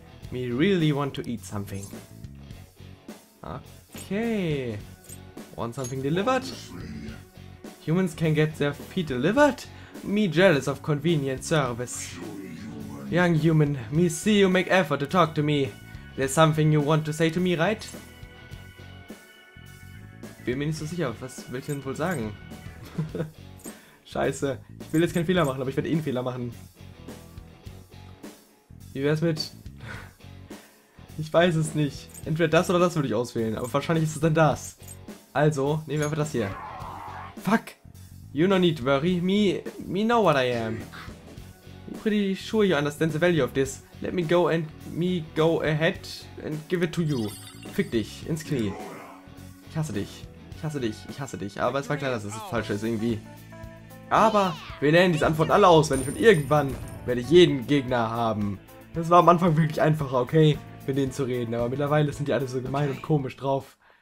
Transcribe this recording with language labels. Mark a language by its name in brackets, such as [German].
[English] Me really want to eat something. Okay. Want something delivered? Humans can get their feet delivered? Me jealous of convenient service. Young human, me see you make effort to talk to me. There's something you want to say to me, right? [German] Bin mir nicht so sicher, was will ich denn wohl sagen? Scheiße, ich will jetzt keinen Fehler machen, aber ich werde eh einen Fehler machen. Wie wär's mit... Ich weiß es nicht. Entweder das oder das würde ich auswählen, aber wahrscheinlich ist es dann das. Also, nehmen wir einfach das hier. Fuck! [English] You no need to worry, me know what I am. I'm pretty sure you understand the value of this. Let me go ahead and give it to you. [German] Fick dich, ins Knie. Ich hasse dich. Ich hasse dich, ich hasse dich. Aber es war klar, dass es falsch ist, irgendwie. Aber wir nennen diese Antwort alle aus, wenn ich und irgendwann werde ich jeden Gegner haben. Das war am Anfang wirklich einfacher, okay, mit denen zu reden. Aber mittlerweile sind die alle so gemein und komisch drauf.